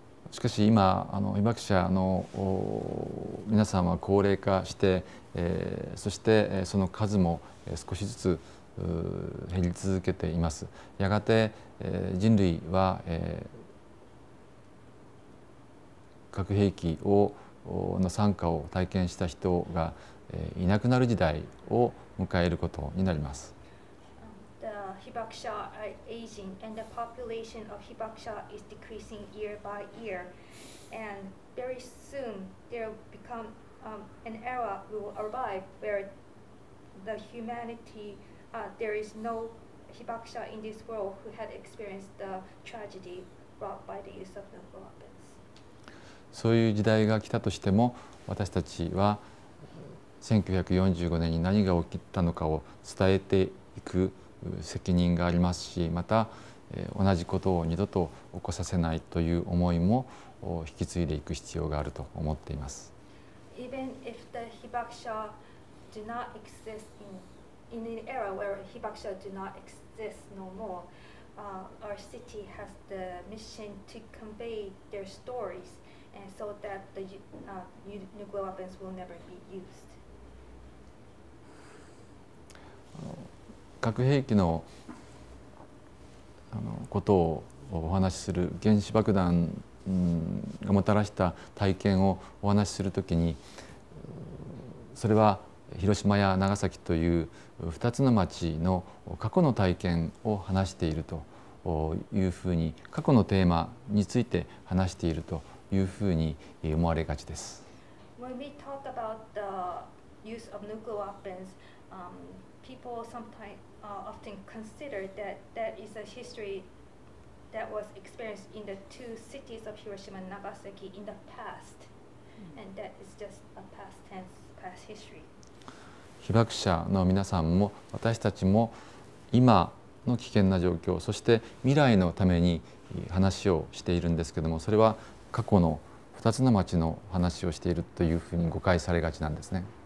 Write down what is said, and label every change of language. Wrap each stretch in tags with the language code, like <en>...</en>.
<ja>しかし今あの被爆者の皆さんは高齢化して、そしてその数も少しずつ減り続けています。やがて、人類は、核兵器をの惨禍を体験した人が、いなくなる時代を迎えることになります。</ja> <en>Hibakusha are aging and the population of Hibakusha is decreasing year by year and very soon there will become an era will arrive where the humanity there is no Hibakusha in this world who had experienced the tragedy brought by the use of nuclear weapons.</en> <ja>そういう時代が来たとしても私たちは1945年に何が起きたのかを伝えていく責任がありますし、また同じことを二度と起こさせないという思いも引き継いでいく必要があると思っています。</ja> <en>Even if the Hibakusha do not exist in an era where Hibakusha do not exist no more, our city has the mission to convey their stories and so that the nuclear weapons will never be used.</en> <ja>核兵器 のことをお話しする原子爆弾がもたらした体験をお話しするときに、それは広島や長崎という2つの町の過去の体験を話しているというふうに、過去のテーマについて話しているというふうに思われがちです。</ja> <en>When we talk about the use of nuclear weapons, people sometimes often consider that is a history that was experienced in the two cities of Hiroshima and Nagasaki in the past, and that is just a past tense past history.</en> <ja>被爆者の皆さんも私たちも今の危険な状況、そして未来のために話をしているんですけれども、それは過去の2つの町の話をしているというふうに誤解されがちなんですね。</ja>